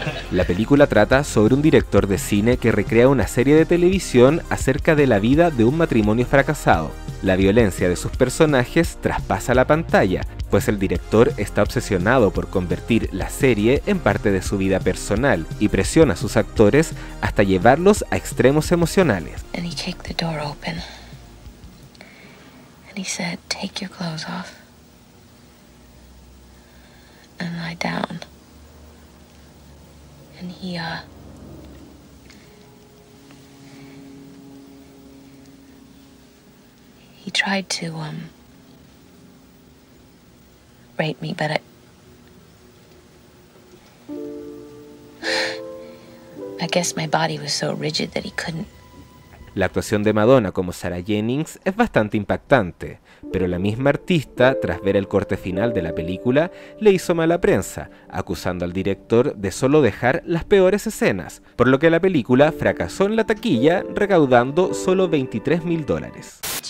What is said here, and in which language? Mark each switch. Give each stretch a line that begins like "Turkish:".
Spanish: La película trata sobre un director de cine que recrea una serie de televisión acerca de la vida de un matrimonio fracasado. La violencia de sus personajes traspasa la pantalla, pues el director está obsesionado por convertir la serie en parte de su vida personal y presiona a sus actores hasta llevarlos a extremos emocionales.
English: And he kicked the door open. And he said, "Take your clothes off and lie down." And he tried to rape me, but I guess my body was so rigid that he couldn't.
Spanish: La actuación de Madonna como Sarah Jennings es bastante impactante, pero la misma artista, tras ver el corte final de la película, le hizo mala prensa, acusando al director de solo dejar las peores escenas, por lo que la película fracasó en la taquilla, recaudando solo $23,000.